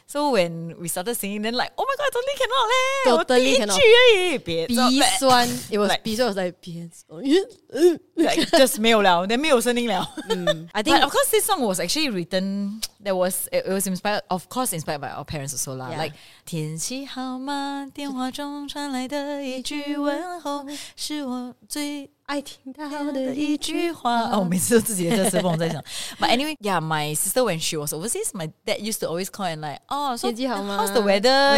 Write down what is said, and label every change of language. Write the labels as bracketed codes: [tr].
[en] So when we started singing, then like, oh my God, totally cannot leh. Totally cannot. 鼻酸.It was 鼻酸.Like, I was like, 别走远了. Like, just [zh] 没有了, [en] then [zh] 没有声音了. [en] I think, but of course, this song was actually written, it was inspired, of course, inspired by our parents also lah. Yeah. Like, [zh] 天气好吗, 电话中传来的一句问, 是我最爱听到的一句话。哦，每次都自己的歌词放在想。 [en] But anyway, yeah, my sister, when she was overseas, my dad used to always call and like, oh, so how's the weather?